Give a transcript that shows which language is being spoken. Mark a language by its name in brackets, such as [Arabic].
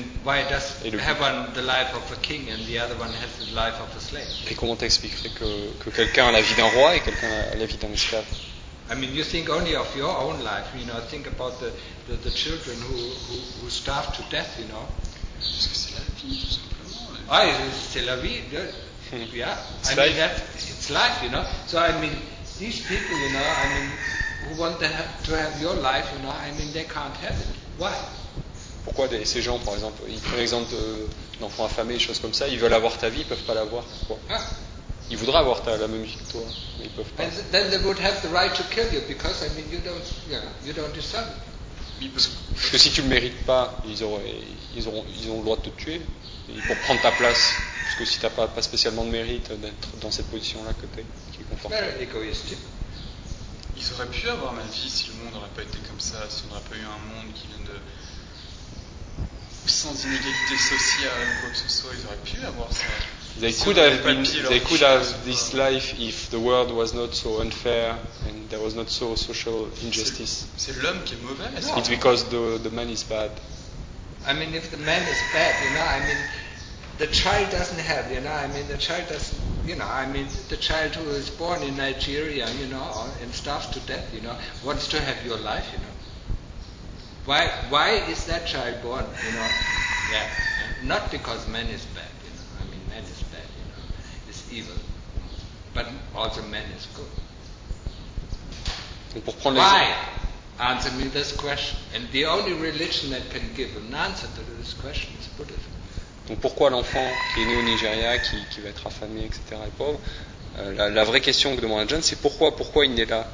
[English] And why does one the life of a king and the other one has the life of a slave? [French] Et comment t'expliquerais que quelqu'un a la vie d'un roi et quelqu'un a la vie d'un esclave? [English] I mean, you think only of your own life. You know, think about the children who starve to death. You know. [French] Parce que c'est la vie, tout simplement. [English] Ah, c'est la vie. Yeah. I mean, that's it's life. You know. So I mean, these people, you know, I mean, who want to have your life, you know, I mean, they can't have it. Why? [French] Pourquoi ces gens, par exemple, ils prennent l'exemple d'enfants affamés, choses comme ça, ils veulent avoir ta vie, ils peuvent pas l'avoir. Pourquoi? Ah. Ils voudraient avoir la même vie que toi, mais ils peuvent pas. [English] And then they would have the right to kill you because I mean you don't deserve it. [French] Parce que si tu le mérites pas, ils ont le droit de te tuer pour prendre ta place. Parce que si t'as pas spécialement de mérite d'être dans cette position là que t'es, qui est confortable. [English] Very egoistic. [French] Ils auraient pu avoir ma vie si le monde n'aurait pas été comme ça, si on n'aurait pas eu un monde qui vient de sans inégalité sociale ou quoi que ce soit, ils auraient pu avoir ça. [English] They could have this life if the world was not so unfair and there was not so social injustice. [French] C'est l'homme qui est mauvais. [English] No. It's because the man is bad. I mean, if the man is bad, you know, I mean, the child doesn't have, you know, I mean, the child doesn't, you know, I mean, the child who is born in Nigeria, you know, and starved to death, you know, wants to have your life, you know. Why is that child born, you know? Yeah. Not because man is bad. Man is bad, you know, is evil. But also man is good. [French] Et pour prendre [English] why? Answer me this question. And the only religion that can give an answer to this question is Buddhism. [French] Donc pourquoi l'enfant qui est né au Nigeria, qui va être affamé, etc., est pauvre, la vraie question que demande John, c'est pourquoi il est là?